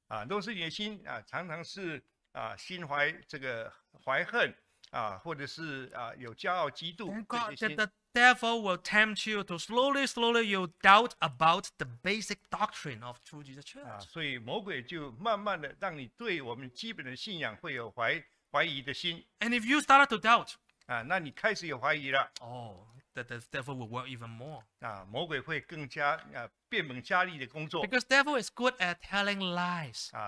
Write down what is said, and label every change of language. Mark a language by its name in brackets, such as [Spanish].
[Chinese] 若是你的心常常是心怀这个怀恨或者是有骄傲嫉妒这些心。 [English] The devil will tempt you to slowly, slowly you doubt about the basic doctrine of true Jesus Church. [Chinese] 所以魔鬼就慢慢的让你对我们基本的信仰会有怀疑的心。 [English] And if you start to doubt, [Chinese] 那你开始有怀疑了。 [English] That the devil will work even more. [Chinese] 魔鬼会更加变本加厉的工作。 [English] Because devil is good at telling lies.